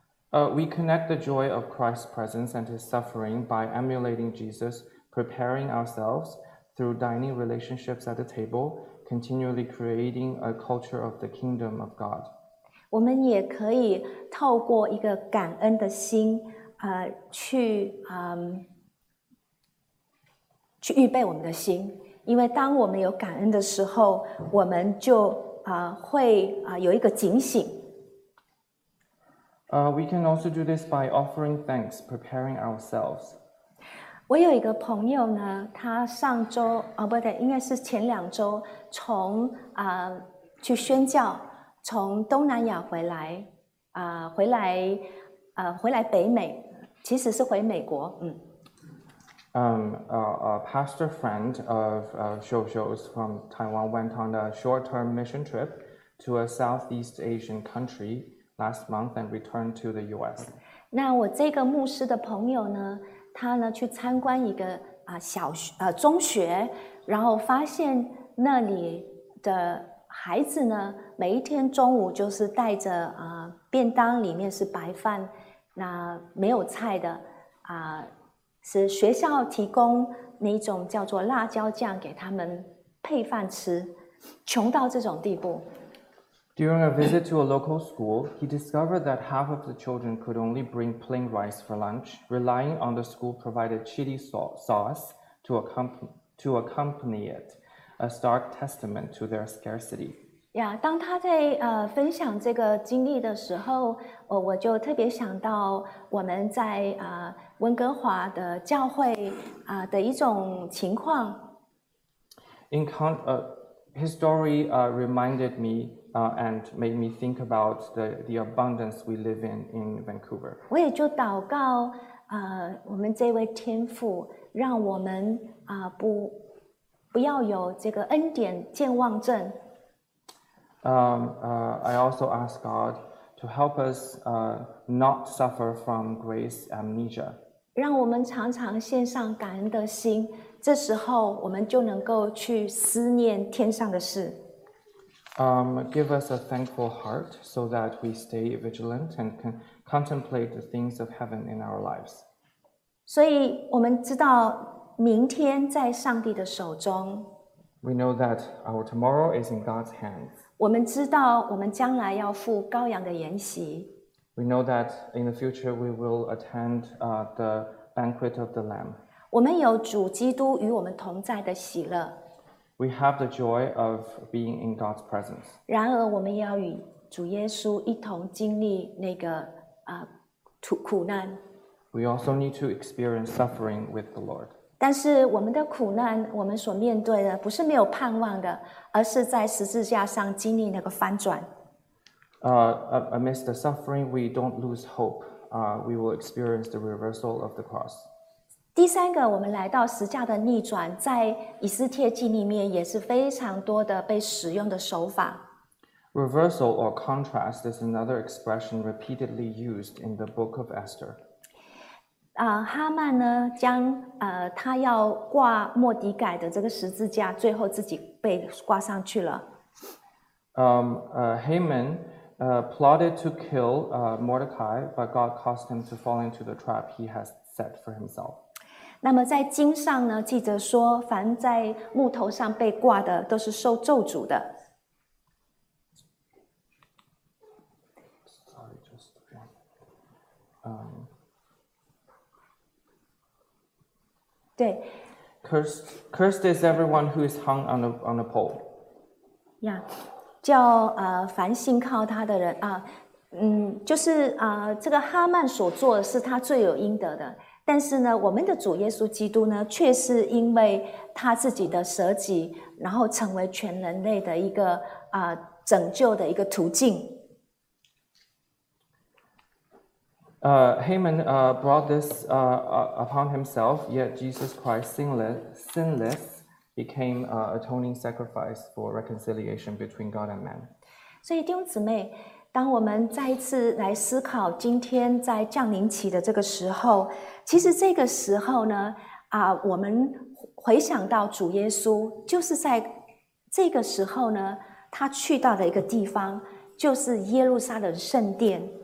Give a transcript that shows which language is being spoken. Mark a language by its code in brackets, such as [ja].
[en] We connect the joy of Christ's presence and his suffering by emulating Jesus, preparing ourselves through dining relationships at the table. Continually creating a culture of the kingdom of God. [zh] 我们也可以透过一个感恩的心，去预备我们的心。因为当我们有感恩的时候，我们就会有一个警醒。 [en] We can also do this by offering thanks, preparing ourselves. [zh] 我有一个朋友呢，他上周啊、哦，不对，应该是前两周从啊、去宣教，从东南亚回来啊、回来啊、回来北美，其实是回美国，嗯。 [en] A pastor friend of Xiu Xiu's from Taiwan went on a short-term mission trip to a Southeast Asian country last month and returned to the U.S. [zh] 那我这个牧师的朋友呢，他呢去参观一个啊、小学、中学，然后发现那里的孩子呢，每一天中午就是带着啊、便当，里面是白饭，那没有菜的啊。是学校提供那种叫做辣椒酱给他们配饭吃，穷到这种地步。 [en] During a visit to a local school, he discovered that half of the children could only bring plain rice for lunch, relying on the school-provided chili sauce to accompany it, a stark testament to their scarcity. [zh] 呀，当他在分享这个经历的时候，我就特别想到我们在温哥华的教会啊、的一种情况。 [en] His story reminded me and made me think about the abundance we live in Vancouver. [zh] 我也就祷告啊、我们这位天父，让我们啊、不要有这个恩典健忘症。 [en] I also ask God to help us not suffer from grace amnesia. [zh] 让我们常常献上感恩的心，这时候我们就能够去思念天上的事。 [en] Give us a thankful heart so that we stay vigilant and can contemplate the things of heaven in our lives. [zh] 所以我们知道明天在上帝的手中。 [en] We know that our tomorrow is in God's hands. [zh] 我们知道我们将来要赴羔羊的筵席。 [en] We know that in the future we will attend the banquet of the Lamb. [zh] 我们有主基督与我们同在的喜乐。 [en] We have the joy of being in God's presence. [zh] 然而我们要与主耶稣一同经历那个苦难。 [en] We also need to experience suffering with the Lord. [zh] 但是我们的苦难，我们所面对的不是没有盼望的，而是在十字架上经历那个翻转。 [en] Amidst the suffering, we don't lose hope. We will experience the reversal of the cross. [zh] 第三个，我们来到十字架的逆转，在以斯帖记里面也是非常多的被使用的手法。 [en] Reversal or contrast is another expression repeatedly used in the book of Esther. [zh] 哈曼呢，将他要挂莫迪改的这个十字架，最后自己被挂上去了。 [en] Haman plotted to kill Mordecai, but God caused him to fall into the trap he has set for himself. [zh] 那么在经上呢，记着说，凡在木头上被挂的，都是受咒诅的。对 [en] cursed is everyone who is hung on a pole. [zh] Yeah, 叫凡信靠他的人啊，就是这个哈曼所做的是他罪有应得的。但是呢，我们的主耶稣基督呢，却是因为他自己的舍己，然后成为全人类的一个拯救的一个途径。 [en] Haman brought this upon himself, yet Jesus Christ sinless became an atoning sacrifice for reconciliation between God and man. [zh] 所以弟兄姊妹，当我们再一次来思考今天在降临期的这个时候，其实这个时候呢，我们回想到主耶稣，就是在这个时候呢，他去到的一个地方，就是耶路撒冷圣殿。